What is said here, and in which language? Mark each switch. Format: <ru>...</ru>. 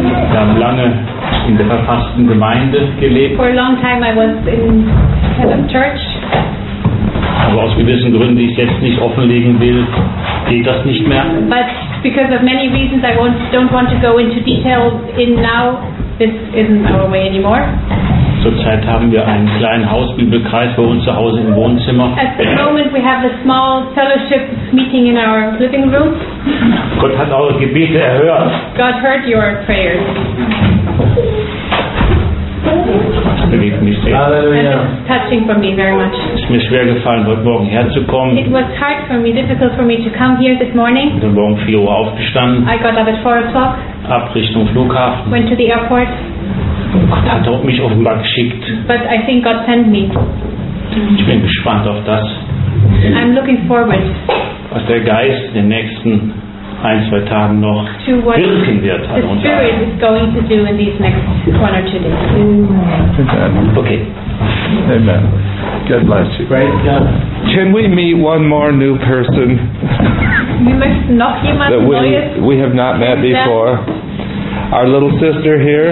<de>Wir haben lange in der verfassten Gemeinde gelebt.</de> <en>For a long time I was in kind of church.</en> <de>Aber aus gewissen Gründen, die ich jetzt nicht offenlegen will, geht das nicht mehr.</de> <en>But because of many reasons I don't want to go into details in now, this isn't our way anymore.</en> <de>Zurzeit haben wir einen kleinen Hausbibelkreis bei uns zu Hause im Wohnzimmer.</de> <en>At the moment we have a small fellowship meeting in our living room.</en> <de>Gott hat eure Gebete erhört.</de> <en>God heard your prayers.</en> <de>Das bewegt mich sehr. Halleluja.</de> <en>It's touching for me very much.</en> <de>Es ist mir schwer gefallen, heute Morgen herzukommen.</de> <en>It was hard for me, difficult for me to come here this morning.</en> <de>Ich bin morgen 4 Uhr aufgestanden.</de> <en>I got up at 4 o'clock.</en> <de>Ab Richtung Flughafen.</de> <en>Went to the airport.</en> <de>Gott hat mich offenbar geschickt.</de> <en>But I think God sent me.</en> <de>Ich bin gespannt auf das.</de> <en>I'm looking forward.</en> <de>Was der Geist in den nächsten 1-2 Tagen noch wirken wird.</de> <en>The Spirit is going to do in these next 1 or 2 days. Amen. Okay. Amen. God bless you. Great God. Can we meet one more new person? We must knock him out. We have not met before. Our little sister here.</en>